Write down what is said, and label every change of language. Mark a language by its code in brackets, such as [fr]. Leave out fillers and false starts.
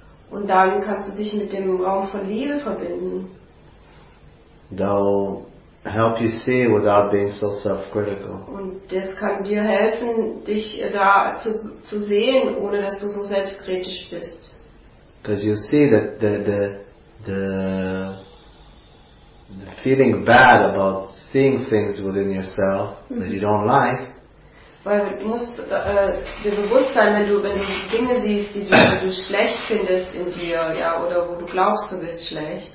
[de] Und dann kannst du dich mit dem Raum von Liebe verbinden. [en] They'll help you see without being so self-critical. [de] Und das kann dir helfen, dich da zu sehen, ohne dass du so selbstkritisch bist. [en] Because you see that the feeling bad about seeing things within yourself that you don't like. [de] Weil du musst dir bewusst sein, wenn du Dinge siehst, die du schlecht findest in dir, ja, oder wo du glaubst, du bist schlecht.